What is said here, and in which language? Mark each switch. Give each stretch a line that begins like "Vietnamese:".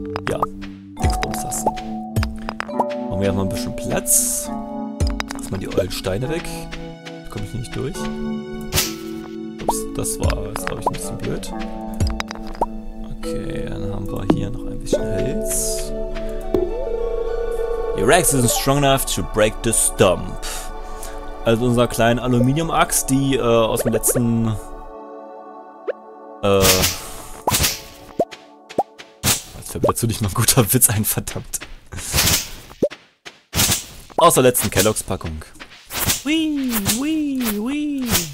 German: Ja, Dingsbums-Tasten. Machen wir mal ein bisschen Platz. Lass mal die alten Steine weg. Komme ich nicht durch. Ups, das war, glaube ich, ein bisschen blöd. Okay, dann haben wir hier noch ein bisschen Holz.
English: Your axe isn't strong enough to break the stump.
German: Also unsere kleine Aluminium-Axt, die aus dem letzten Jetzt fällt dazu nicht mal ein guter Witz ein, verdammt. Aus der letzten Kelloggs-Packung. Wee, wee, wee.